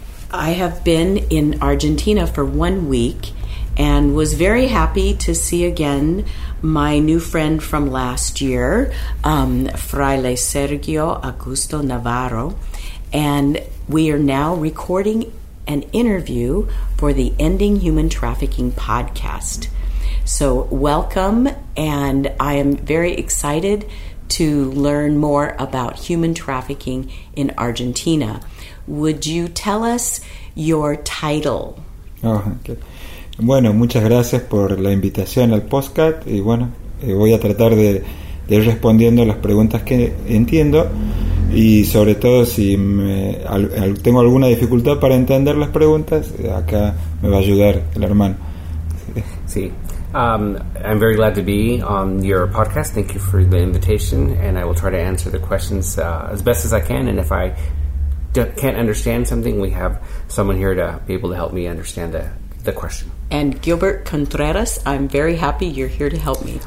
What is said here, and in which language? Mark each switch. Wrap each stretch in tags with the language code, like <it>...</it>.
<en>I have been in Argentina for 1 week and was very happy to see again my new friend from last year, Fraile Sergio Augusto Navarro, and we are now recording an interview for the Ending Human Trafficking Podcast. So welcome, and I am very excited to learn more about human trafficking in Argentina. Would you tell us your title? Oh, okay.</en> <es>Bueno, muchas gracias por la invitación al podcast. Y bueno, voy a tratar de ir respondiendo las preguntas que entiendo. Y sobre todo, si tengo alguna dificultad para entender las preguntas, acá me va a ayudar el hermano. Sí.</es> <en>I'm very glad to be on your podcast. Thank you for the invitation. And I will try to answer the questions as best as I can. And if I can't understand something, we have someone here to be able to help me understand the question. And Gilbert Contreras, I'm very happy you're here to help me.</en>